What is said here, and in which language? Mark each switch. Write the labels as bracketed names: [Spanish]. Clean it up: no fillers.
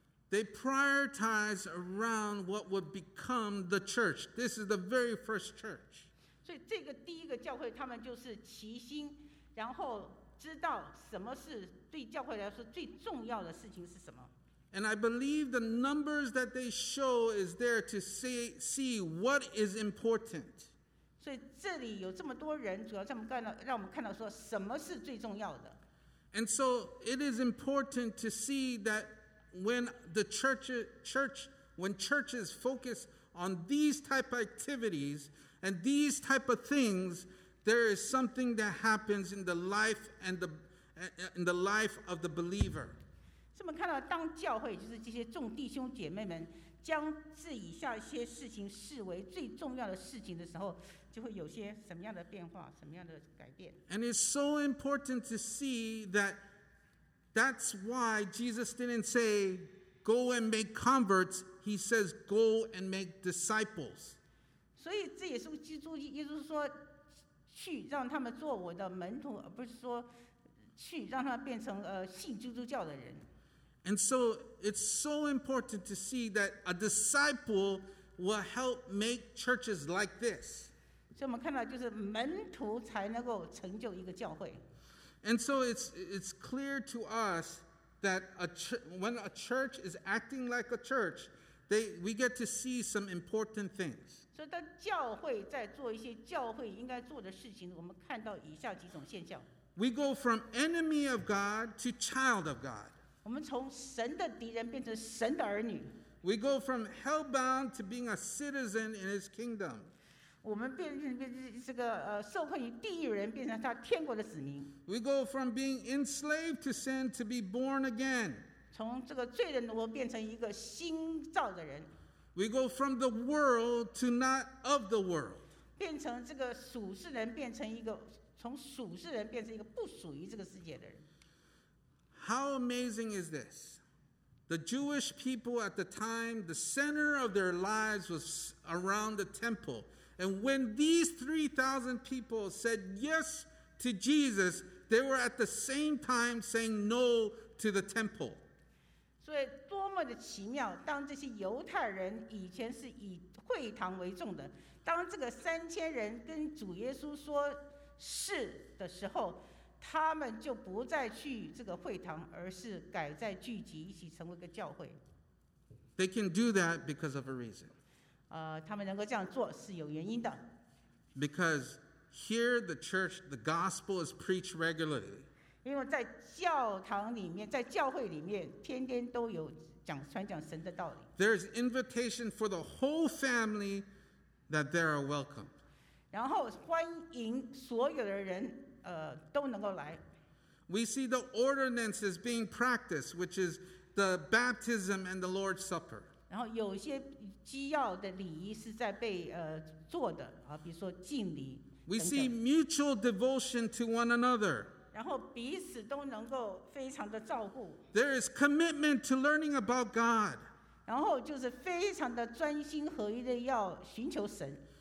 [English] They prioritized around what would become the church. This is the very first church. [Chinese] 所以这个第一个教会，他们就是齐心，然后。知道什么是对教会来说最重要的事情是什么。 [English] And I believe the numbers that they show is there to see what is important. [Chinese] 所以这里有这么多人，主要让我们看到说什么是最重要的。 [English] And so it is important to see that when the churches focus on these type of activities and these type of things,There is something that happens in the life and the in the life of the believer. [Chinese] 我们看到，当教会就是这些众弟兄姐妹们将这以下一些事情视为最重要的事情的时候，就会有些什么样的变化，什么样的改变。 [English] And it's so important to see that that's why Jesus didn't say go and make converts. He says go and make disciples. [Chinese] 所以这也是基督耶稣说。去让他们做我的门徒，而不是说去让他们变成信基督教的人。 [English] And so it's so important to see that a disciple will help make churches like this. [Chinese] 所以我们看到，就是门徒才能够成就一个教会。 [English] And so it's clear to us that when a church is acting like a church, we get to see some important things. [Chinese] 所以，当教会在做一些教会应该做的事情，我们看到以下几种现象。 [English] We go from enemy of God to child of God. [Chinese] 我们从神的敌人变成神的儿女。 [English] We go from hellbound to being a citizen in His kingdom. [Chinese] 我们变成这个受困于地狱人，变成他天国的子民。 [English] We go from being enslaved to sin to be born again. [Chinese] 从这个罪人，我变成一个新造的人。 [English] We go from the world to not of the world. [Chinese] 变成这个属世人，变成一个从属世人变成一个不属于这个世界的人。 [English] How amazing is this? The Jewish people at the time, the center of their lives was around the temple. And when these 3,000 people said yes to Jesus, they were at the same time saying no to the temple. [Chinese] 所以多么的奇妙，当这些犹太人以前是以会堂为重的，当这个三千人跟主耶稣说是的时候，他们就不再去这个会堂，而是改在聚集一起成为一个教会。 [English] They can do that because of a reason. [Chinese] 他们能够这样做是有原因的。 [English] Because here the church, the gospel is preached regularly. [Chinese] 因为在教堂里面，在教会里面，天天都有讲传讲神的道理。 [English] There is invitation for the whole family that they are welcome. [Chinese] 然后欢迎所有的人。都能够来。 [English] We see the ordinances being practiced, which is the baptism and the Lord's Supper. [Chinese] 然后有些基要的礼仪是在被做的，比如说敬礼。 [English] We see mutual devotion to one another. [Chinese] 然后彼此都能够非常的照顾。 [English] There is commitment to learning about God. [Chinese] 然后就是非常的专心合一的要寻求神。